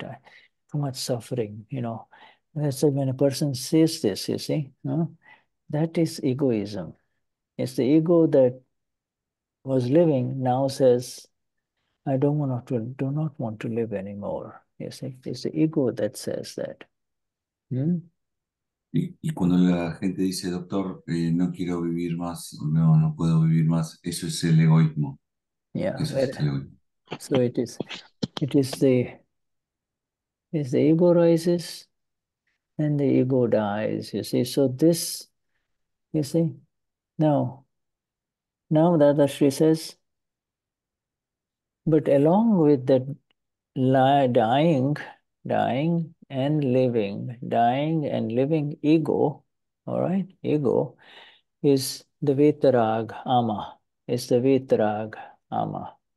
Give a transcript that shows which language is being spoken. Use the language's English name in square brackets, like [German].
[English] Too much suffering, you know. That's when a person says this, you see, no? That is egoism. It's the ego that was living now says, I don't want to, do not want to live anymore, you see. It's the ego that says that. Hmm? [Spanish] Y cuando la gente dice, doctor, no quiero vivir más, no, no puedo vivir más, eso es el egoísmo. [English] Yeah, [Spanish] eso es el egoísmo. [English] So it is the ego rises and the ego dies, you see. So this, you see, now Dada Shri says, but along with that dying, and living, dying and living, ego, all right, ego, is the vitarag ama, is the vitarag ama.